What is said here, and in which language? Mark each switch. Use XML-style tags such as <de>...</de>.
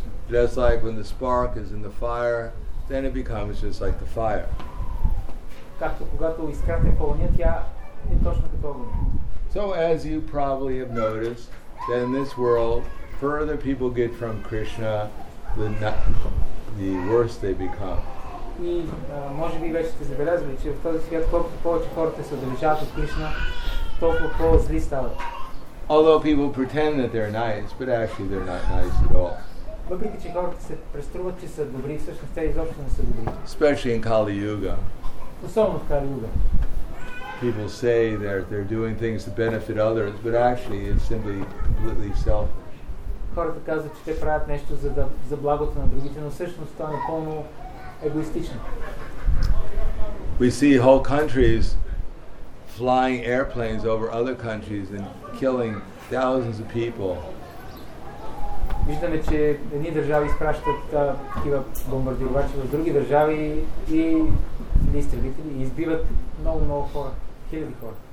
<en>Just like when the spark is in the fire, then it becomes just like the fire. So as you probably have noticed, that in this world, further people get from Krishna, the worse they become.</en> <bg>И може би вече сте забелязали, че в този свят колкото повече хората се отдалечават от Кришна, толкова по-зли стават.</bg> <en>Although people pretend that they're nice, but actually they're not nice at all.</en> <bg>Въпреки че хората се преструват, че са добри, всъщност те изобщо не са добри.</bg> <en>Especially in Kali Yuga.</en> <bg>Особено в Кали Юга.</bg> <en>People say they're doing things to benefit others, but actually it's simply completely selfish.</en> <bg>Хората казват, че те правят нещо за благото на другите, но всъщност това е напълно егоистично.</bg> <en>We see whole countries flying airplanes over other countries and killing thousands of people.</en> <bg>Виждаме, че едни държави изпращат такива бомбардировачи в други държави и изтребители и избиват много хора, хиляди хора.</bg>